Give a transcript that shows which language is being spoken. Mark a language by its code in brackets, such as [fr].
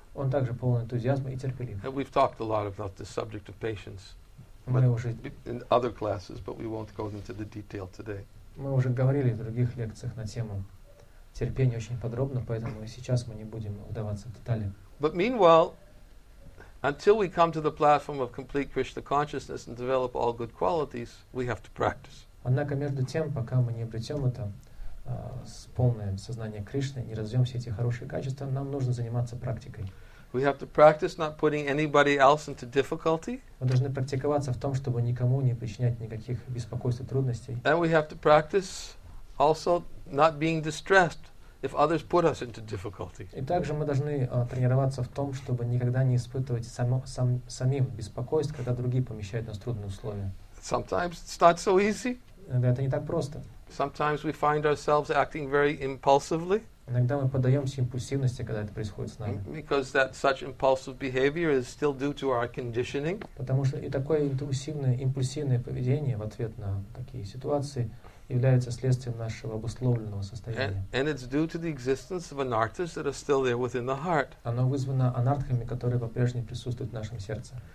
[ru] Он также полон энтузиазма и терпелив. [en] And we've talked a lot about the subject of patience. In other classes, but we won't go into the detail today. [ru] Мы уже говорили в других лекциях на тему терпения очень подробно, поэтому сейчас мы не будем вдаваться в детали. [en] But meanwhile, until we come to the platform of complete Krishna consciousness and develop all good qualities, we have to practice. [ru] Однако между тем, пока мы не обретем это с полным сознанием Кришны, не развьем все эти хорошие качества, нам нужно заниматься практикой. [en] We have to practice not putting anybody else into difficulty. [ru] Мы должны практиковаться в том, чтобы никому не причинять никаких беспокойств и трудностей. [en] And we have to practice also not being distressed if others put us into difficulty. [ru] И также мы должны тренироваться в том, чтобы никогда не испытывать самим беспокойств, когда другие помещают нас в трудные условия. [en] Sometimes it's not so easy. [ru] Иногда это не так просто. [en] Sometimes we find ourselves acting very impulsively. [ru] Иногда мы поддаемся импульсивности, когда это происходит с нами. [en] Because that such impulsive behavior is still due to our conditioning. [ru] Потому что и такое интуитивное, импульсивное поведение в ответ на такие ситуации является следствием нашего обусловленного состояния. [en] And it's due to the existence of anarthas that are still there within the heart. [ru] Оно вызвано анартхами, которые по-прежнему присутствуют в нашем сердце.